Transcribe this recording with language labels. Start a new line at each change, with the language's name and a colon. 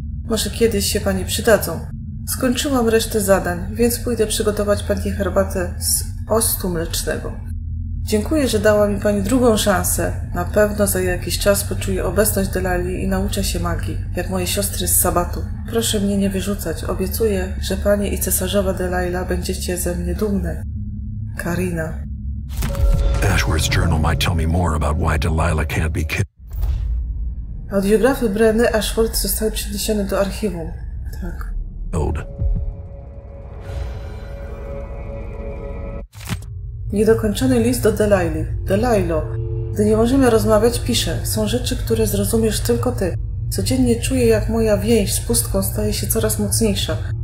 Polish: Może kiedyś się pani przydadzą. Skończyłam resztę zadań, więc pójdę przygotować pani herbatę z ostu mlecznego. Dziękuję, że dała mi pani drugą szansę. Na pewno za jakiś czas poczuję obecność Delali i nauczę się magii, jak moje siostry z sabatu. Proszę mnie nie wyrzucać. Obiecuję, że panie i cesarzowa Delaila będziecie ze mnie dumne. Karina.
English: Ashworth's journal might tell me more about why Delilah can't be killed.
Polish: Audiografy Breny Ashworth zostały przeniesione do archiwum. Tak. Old. Niedokończony list do Delaili. Delailo, gdy nie możemy rozmawiać, piszę. Są rzeczy, które zrozumiesz tylko ty. Codziennie czuję, jak moja więź z pustką staje się coraz mocniejsza.